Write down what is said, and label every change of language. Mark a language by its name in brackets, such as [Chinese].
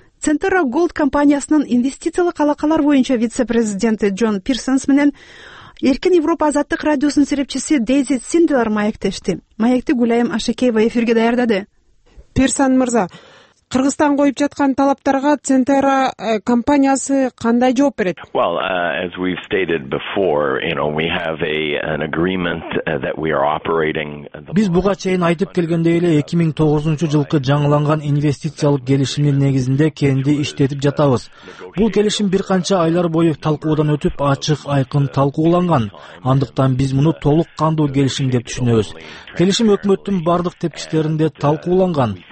[Kyrgyz] Центра Голд компаниясынын инвестициялык алакалар боюнча вице-президенти Джон Пирсонс менен Эркин Европа Азаттык радиосунун серепчиси Дейзи Синделар маектешти. Маекти Гүлайым Ашекеева эфирге даярдады. Пирсон мырза, Кыргызстан коюп жаткан талаптарга Центра компаниясы кандай жооп берет? [English] Well, as we've stated before, you know, we have an agreement that we are operating. [Kyrgyz] Биз буга чейин айтып келгендей эле 2009-жылкы жаңыланган инвестициялык келишимдин негизинде кенди иштетип жатабыз. Бул келишим бир канча айлар бою талкуудан өтүп, ачык айкын талкууланган. Андыктан биз муну толук кандуу келишим деп түшүнөбүз. Келишим өкмөттүн бардык тепкичтеринде талкууланган.